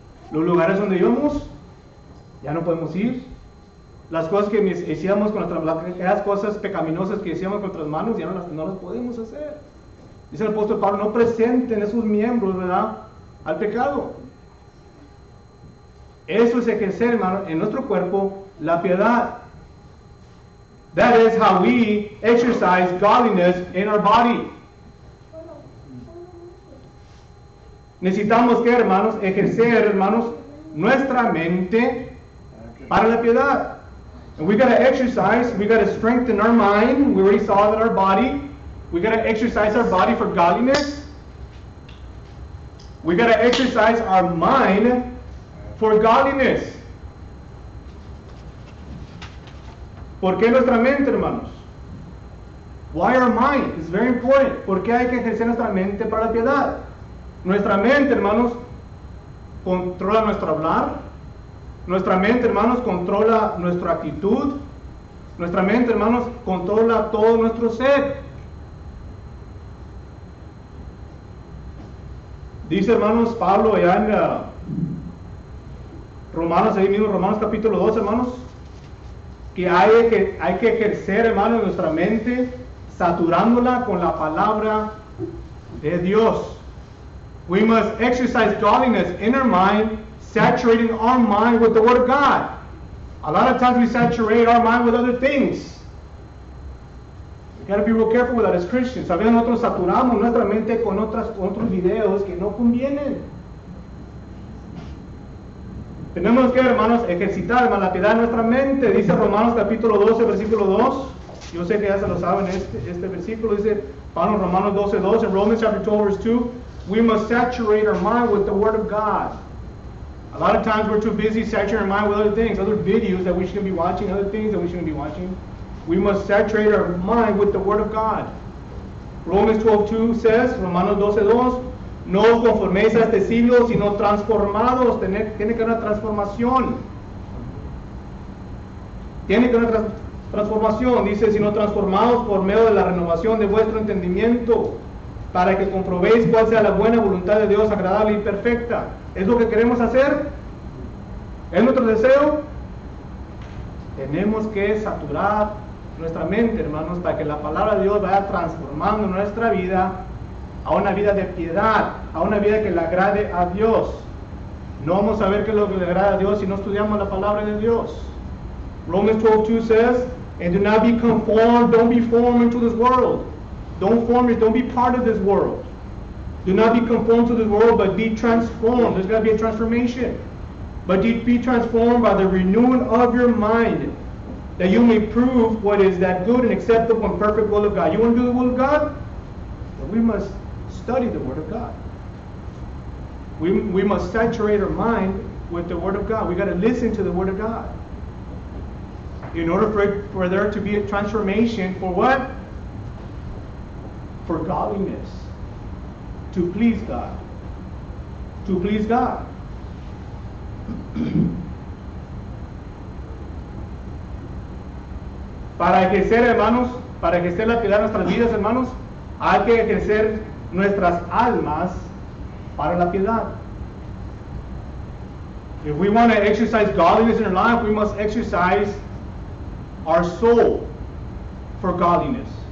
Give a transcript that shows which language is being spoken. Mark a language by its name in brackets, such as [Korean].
[Spanish] Los lugares donde íbamos, ya no podemos ir. Las cosas que hacíamos con las cosas pecaminosas que hacíamos con nuestras manos, ya no las podemos hacer. Dice el apóstol Pablo, no presenten esos miembros, ¿verdad?, al pecado. Eso es ejercer, hermano, en nuestro cuerpo la piedad. [English] That is how we exercise godliness in our body. [Spanish] Necesitamos que, hermanos, ejercer, hermanos, nuestra mente para la piedad. [English] And we got to exercise, we got to strengthen our mind. We already saw that our body. We got to exercise our body for godliness. We got to exercise our mind for godliness. [Spanish] ¿Por qué nuestra mente, hermanos? [English] Why our mind? It's very important. [Spanish] ¿Por qué hay que ejercer nuestra mente para la piedad? Nuestra mente, hermanos, controla nuestro hablar. Nuestra mente, hermanos, controla nuestra actitud. Nuestra mente, hermanos, controla todo nuestro ser. Dice, hermanos, Pablo allá en Romanos, ahí mismo, Romanos capítulo 2, hermanos, que hay que ejercer, hermanos, nuestra mente, saturándola con la palabra de Dios. [English] We must exercise godliness in our mind, saturating our mind with the Word of God. A lot of times we saturate our mind with other things. You got to be real careful with that as Christians. [Spanish] A veces nosotros saturamos nuestra mente con otros videos que no convienen. Tenemos que, hermanos, ejercitar, hermanos, la piedad de nuestra mente. Dice Romanos capítulo 12, versículo 2. Yo sé que ya se lo saben este versículo. Dice Pablo, Romanos 12, 12. [English] Romans chapter 12, verse 2. We must saturate our mind with the Word of God. A lot of times we're too busy saturating our mind with other things, other videos that we shouldn't be watching, other things that we shouldn't be watching. We must saturate our mind with the Word of God. Romans 12, 2 says, [Spanish] Romanos 12, 2. No os conforméis a este siglo, sino transformados. Tiene que haber una transformación. Tiene que haber una transformación. Dice, sino transformados por medio de la renovación de vuestro entendimiento, para que comprobéis cuál sea la buena voluntad de Dios, agradable y perfecta. ¿Es lo que queremos hacer? ¿Es nuestro deseo? Tenemos que saturar nuestra mente, hermanos, para que la palabra de Dios vaya transformando nuestra vida a una vida de piedad, a una vida que le agrade a Dios. No vamos a ver qué es lo que le agrada a Dios si no estudiamos la palabra de Dios. [English] Romans 12:2 says, And do not be conformed, don't be formed into this world. Don't form it, don't be part of this world. Do not be conformed to this world, but be transformed. There's got to be a transformation. But be transformed by the renewing of your mind, that you may prove what is that good and acceptable and perfect will of God. You want to do the will of God? Well, we must study the Word of God. We must saturate our mind with the Word of God. We got to listen to the Word of God. In order for there to be a transformation, for what? For godliness. To please God. To please God. [Spanish] Para crecer, hermanos, para crecer la piedad en nuestras vidas, hermanos, hay que crecer nuestras almas para la piedad. [English] If we want to exercise godliness in our life, we must exercise our soul for godliness.